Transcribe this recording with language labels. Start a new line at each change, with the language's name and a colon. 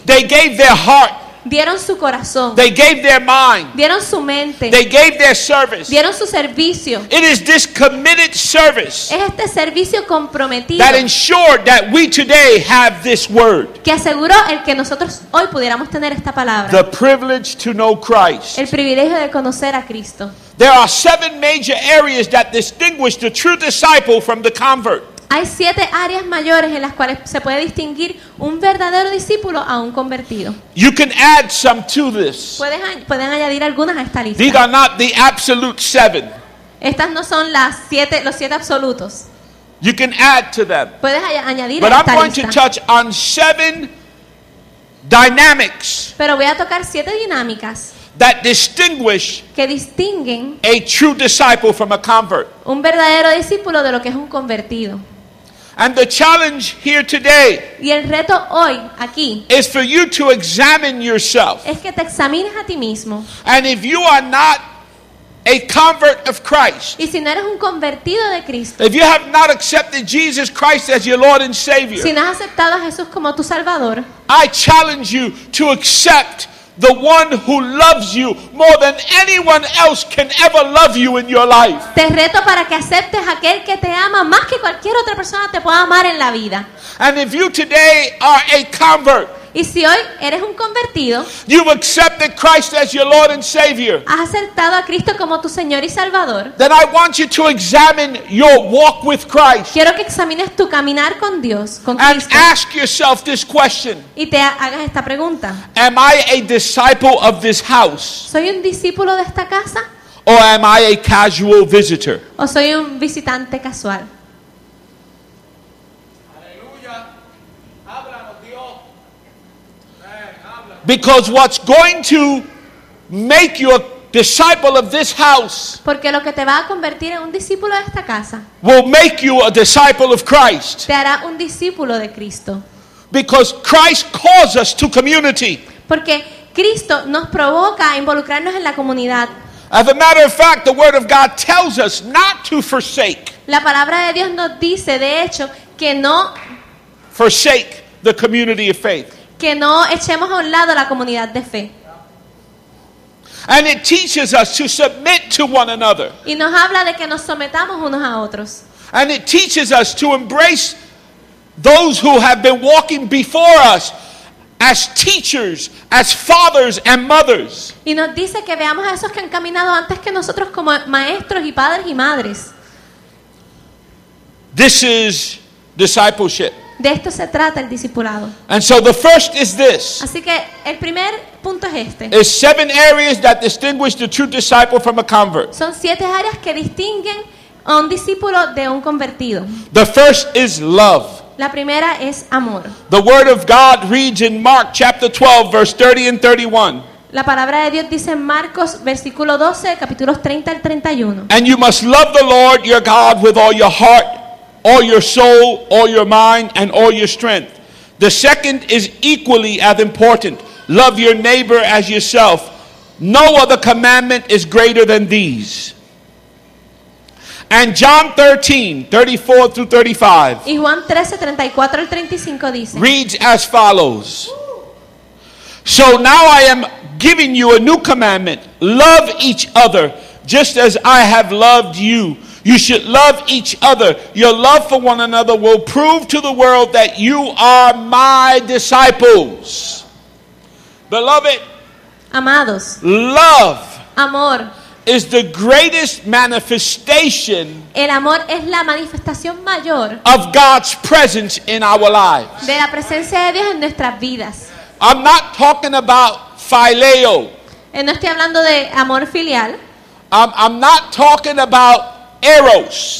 English: They gave their heart.
Spanish: Dieron su corazón.
English: They gave their mind.
Spanish: Dieron su mente.
English: They gave their service.
Spanish: Dieron su servicio.
English: It is this committed service.
Spanish: Es este servicio comprometido.
English: That ensured that we today have this word.
Spanish: Que aseguró el que nosotros hoy pudiéramos tener esta palabra.
English: The privilege to know Christ.
Spanish: El privilegio de conocer a Cristo.
English: There are 7 major areas that distinguish the true disciple from the convert.
Spanish: Hay 7 áreas mayores en las cuales se puede distinguir un verdadero discípulo a un convertido.
English: You can add some to this.
Spanish: Pueden añadir algunas a esta lista.
English: These are not the absolute 7.
Spanish: Estas no son las 7, los 7 absolutos.
English: You can add to them.
Spanish: Puedes añadir
English: But
Spanish: a esta
English: I'm going
Spanish: lista.
English: To touch on 7 dynamics.
Spanish: Pero voy a tocar 7 dinámicas.
English: That distinguish
Spanish: que distinguen
English: a true disciple from a convert.
Spanish: Un verdadero discípulo de lo que es un convertido.
English: And the challenge here today
Spanish: y el reto hoy aquí
English: is for you to examine yourself.
Spanish: Es que te examines a ti mismo.
English: And if you are not a convert of Christ,
Spanish: y si no eres un convertido de Cristo,
English: if you have not accepted Jesus Christ as your Lord and Savior,
Spanish: si no has aceptado a Jesús como tu Salvador,
English: I challenge you to accept the one who loves you more than anyone else can ever love you in your life.
Spanish: Te reto para que aceptes aquel que te ama más que cualquier otra persona te pueda amar en la vida.
English: And if you today are a convert,
Spanish: y si hoy eres un convertido,
English: you've accepted Christ as your Lord and Savior,
Spanish: has aceptado a Cristo como tu Señor y Salvador,
English: then I want you to examine your walk with Christ.
Spanish: Quiero que examines tu caminar con Dios, con
English: and
Spanish: Cristo.
English: And ask yourself this question.
Spanish: Y te hagas esta pregunta.
English: Am I a disciple of this house?
Spanish: ¿Soy un discípulo de esta casa?
English: Or am I a casual visitor?
Spanish: ¿O soy un visitante casual?
English: Because what's going to make you a disciple of this house,
Spanish: porque lo que te va a convertir en un discípulo de esta casa,
English: will make you a disciple of Christ.
Spanish: Te hará un discípulo de Cristo.
English: Because Christ calls us to community.
Spanish: Porque Cristo nos provoca a involucrarnos en la comunidad.
English: As a matter of fact, the Word of God tells us not to forsake.
Spanish: La palabra de Dios nos dice, de hecho, que no
English: forsake the community of faith.
Spanish: Que no echemos a un lado la comunidad de fe.
English: And it teaches us to submit to one another.
Spanish: Y nos habla de que nos sometamos unos a otros.
English: And it teaches us to embrace those who have been walking before us as teachers, as fathers and mothers.
Spanish: Y nos dice que veamos a esos que han caminado antes que nosotros como maestros y padres y madres.
English: This is discipleship.
Spanish: De esto se trata el discipulado.
English: And so the first is this.
Spanish: Así que el primer punto es este.
English: It's 7 areas that distinguish the true disciple from a convert.
Spanish: Son 7 áreas que distinguen a un discípulo de un convertido.
English: The first is love.
Spanish: La primera es amor.
English: The word of God reads in Mark chapter 12 verse 30 and 31.
Spanish: La palabra de Dios dice en Marcos versículo 12 capítulos 30 al 31.
English: And you must love the Lord your God with all your heart, all your soul, all your mind, and all your strength. The second is equally as important. Love your neighbor as yourself. No other commandment is greater than these. And John 13, 34 through 35.
Spanish: Y Juan 13, 34 al 35 dice.
English: Reads as follows. So now I am giving you a new commandment. Love each other just as I have loved you. You should love each other. Your love for one another will prove to the world that you are my disciples. Beloved.
Spanish: Amados.
English: Love.
Spanish: Amor.
English: Is the greatest manifestation.
Spanish: El amor es la manifestación mayor.
English: Of God's presence in our lives.
Spanish: De la presencia de Dios en nuestras vidas.
English: I'm not talking about phileo.
Spanish: No estoy hablando de amor filial.
English: I'm not talking about Eros.